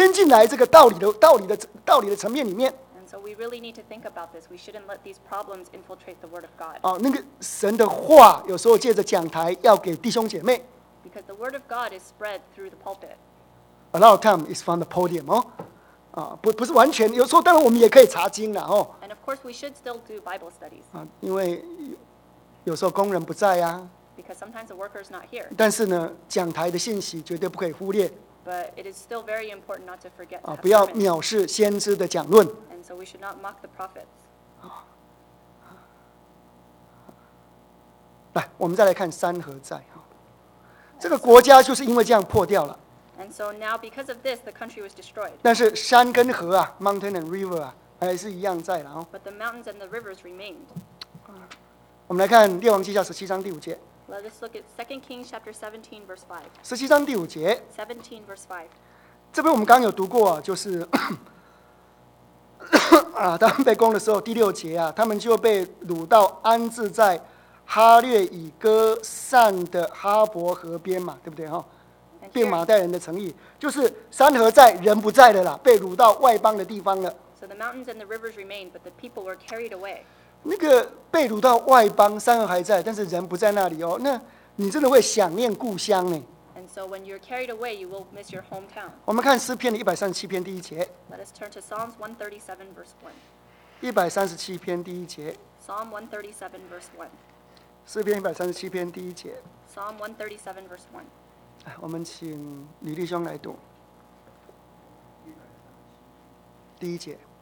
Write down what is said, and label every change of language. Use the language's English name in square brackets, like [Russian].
[Chinese] 我们再想一想呢，哦，不要让文化的问题牵进来这个道理的层面里面。 [English] So we really need to think about this. We shouldn't let these problems infiltrate the word of God. [Chinese] 哦，那个神的话有时候借着讲台要给弟兄姐妹。 [English] Because the word of God is spread through the pulpit. A lot of time is from the podium. [Chinese] 哦，不是完全。有时候当然我们也可以查经了哦。 [English] And of course, we should still do Bible studies. [Chinese] 啊, 因为有时候工人不在啊, [English] because sometimes the worker is not here. [Chinese] 但是呢, 讲台的信息绝对不可以忽略, [English] but it is still very important not to forget. [Chinese] 啊, 不要藐视先知的讲论, [English] and so we should not mock the prophets. [Chinese] 来, 我们再来看三合债, 这个国家就是因为这样破掉了。 [English] And so now, because of this, the country was destroyed. [Chinese] 但是山跟河啊, [English] mountain and river [Chinese] 啊, 还是一样在了哦。 [English] But the mountains and the rivers remained. [Chinese] 我们来看列王记下17章第5节。 [English] Let us look at 2 Kings chapter 17, verse 5. [Chinese] 17章第5节。 [English] 17, verse 5. [Chinese] 这边我们刚刚有读过啊, 就是, 啊, 当被攻的时候第6节啊, 他们就被掳到安置在 哈略以哥善的哈伯河边嘛，对不对哈？便马代人的诚意，就是山河在，人不在的啦，被掳到外邦的地方了。 [English] So the mountains and the rivers remained, but the people were carried away. [Chinese] 那个被掳到外邦，山河还在，但是人不在那里哦。那你真的会想念故乡呢？And [English] so when you're carried away, you will miss your hometown. [Chinese] 我们看诗篇的137篇第1节。Let [English] us turn to Psalms 137, verse 1. [Chinese] 137篇第1节。Psalm [English] 137, verse 1. [Chinese] 诗篇137篇第1节 [English] Psalm 137 verse 1 [Chinese] 我们请吕弟兄来读 第1节